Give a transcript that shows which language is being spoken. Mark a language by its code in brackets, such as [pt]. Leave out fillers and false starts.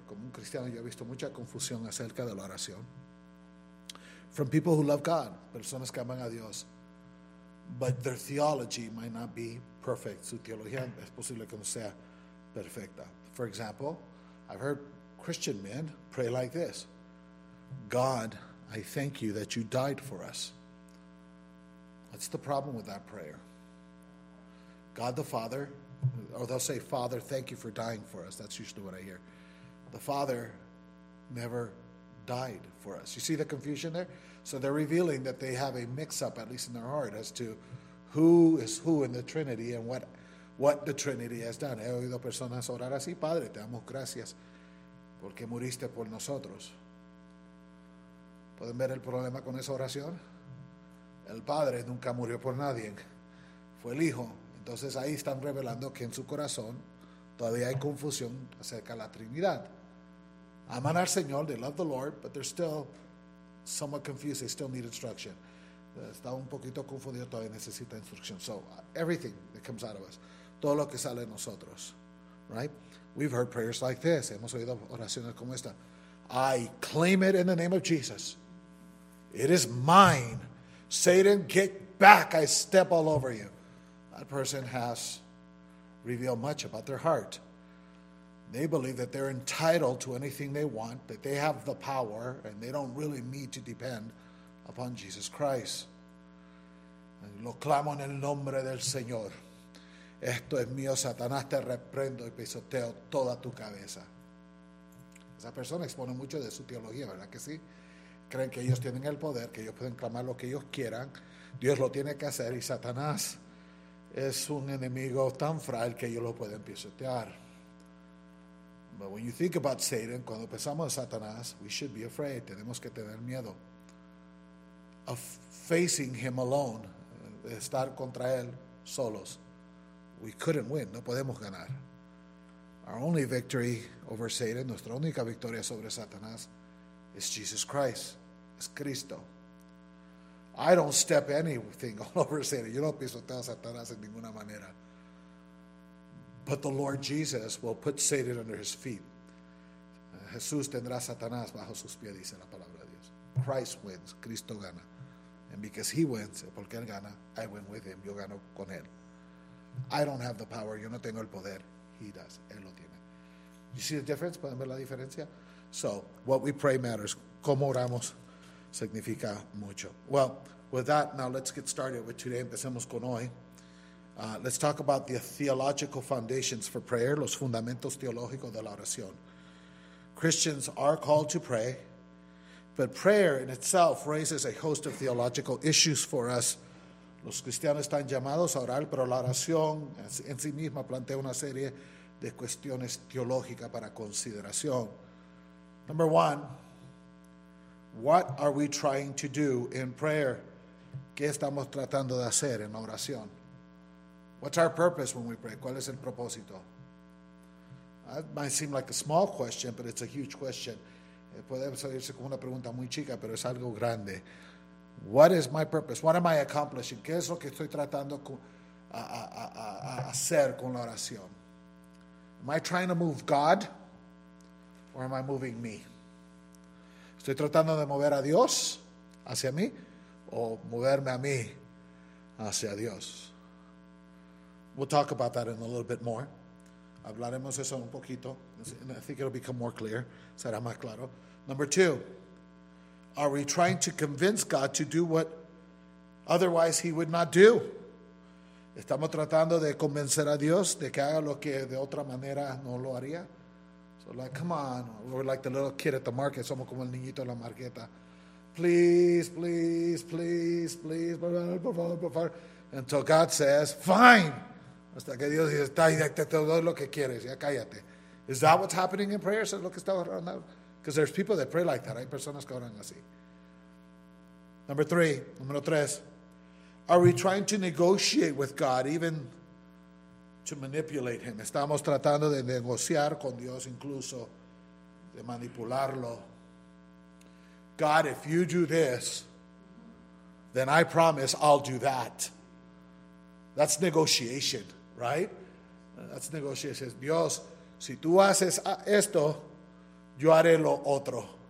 [es] Como un cristiano, yo he visto mucha confusión acerca de la oración. [en] From people who love God, [es] personas que aman a Dios, [en] but their theology might not be perfect. [es] Su teología es posible que no sea perfecta. [en] For example, I've heard Christian men pray like this. God, I thank you that you died for us. What's the problem with that prayer? God the Father, or they'll say, Father, thank you for dying for us. That's usually what I hear. The Father never died for us. You see the confusion there? So they're revealing that they have a mix-up, at least in their heart, as to who is who in the Trinity and what the Trinity has done. [es] He oído personas orar así, Padre, te damos gracias porque muriste por nosotros. ¿Pueden ver el problema con esa oración? El Padre nunca murió por nadie. Fue el Hijo. Entonces ahí están revelando que en su corazón todavía hay confusión acerca de la Trinidad. Aman al Señor, [en] they love the Lord, but they're still somewhat confused. They still need instruction. [es] Está un poquito confundido, todavía necesita instrucción. [en] So everything that comes out of us, [es] todo lo que sale de nosotros. [en] Right? We've heard prayers like this. [es] Hemos oído oraciones como esta. [en] I claim it in the name of Jesus. It is mine. Satan, get back. I step all over you. That person has revealed much about their heart. They believe that they're entitled to anything they want, that they have the power, and they don't really need to depend upon Jesus Christ. [es] Lo clamo en el nombre del Señor. Esto es mío, Satanás, te reprendo y pisoteo toda tu cabeza. Esa persona expone mucho de su teología, ¿verdad que sí? Creen que ellos tienen el poder, que ellos pueden clamar lo que ellos quieran. Dios lo tiene que hacer y Satanás es un enemigo tan frágil que ellos lo pueden pisotear. [en] But when you think about Satan, [es] cuando pensamos en Satanás, [en] we should be afraid. [es] Tenemos que tener miedo. [en] Of facing him alone, [es] de estar contra él solos. [en] We couldn't win, [es] no podemos ganar. [en] Our only victory over Satan, [es] nuestra única victoria sobre Satanás, [en] is Jesus Christ, is Cristo. I don't step anything all over Satan. [es] Yo no pisoteo a Satanás en ninguna manera. [en] But the Lord Jesus will put Satan under his feet. [es] Jesús tendrá a Satanás bajo sus pies, dice la palabra de Dios. [en] Christ wins. [es] Cristo gana. [en] And because he wins, [es] porque él gana, [en] I win with him. [es] Yo gano con él. [en] I don't have the power. [es] Yo no tengo el poder. [en] He does. [es] Él lo tiene. [en] You see the difference? [es] ¿Pueden ver la diferencia? [en] So, what we pray matters. [es] ¿Cómo oramos? Significa mucho. [en] Well, with that, now let's get started with today. [es] Empecemos con hoy. [en] Let's talk about the theological foundations for prayer, [es] los fundamentos teológicos de la oración. [en] Christians are called to pray, but prayer in itself raises a host of theological issues for us. [es] Los cristianos están llamados a orar, pero la oración en sí misma plantea una serie de cuestiones teológicas para consideración. [en] Number one, what are we trying to do in prayer? [es] ¿Qué estamos tratando de hacer en la oración? [en] What's our purpose when we pray? [es] ¿Cuál es el propósito? [en] That might seem like a small question, but it's a huge question. [es] Puede salirse como una pregunta muy chica, pero es algo grande. [en] What is my purpose? What am I accomplishing? [es] ¿Qué es lo que estoy tratando a hacer con la oración? [en] Am I trying to move God or am I moving me? [es] ¿Estoy tratando de mover a Dios hacia mí o moverme a mí hacia Dios? [en] We'll talk about that in a little bit more. [es] Hablaremos eso un poquito. [en] And I think it'll become more clear. [es] Será más claro. [en] Number two, are we trying to convince God to do what otherwise he would not do? [es] ¿Estamos tratando de convencer a Dios de que haga lo que de otra manera no lo haría? [en] So like, come on, we're like the little kid at the market. [es] Somos como el niñito en la marqueta. [en] Please, please, please, please, [es] por favor, por favor, por favor. [en] Until God says, fine. [es] Hasta que Dios dice, está ahí, te doy lo que quieres, ya cállate. [en] Is that what's happening in prayer? [es] Eso es lo que está orando. [en] Because there's people that pray like that. [es] Hay personas que oran así. Número tres. [en] Are we trying to negotiate with God, even to manipulate him? [es] Estamos tratando de negociar con Dios, incluso de manipularlo. [en] God, if you do this, then I promise I'll do that. That's negotiation, right? That's negotiation. [es] Dios, si tú haces esto, yo haré lo otro.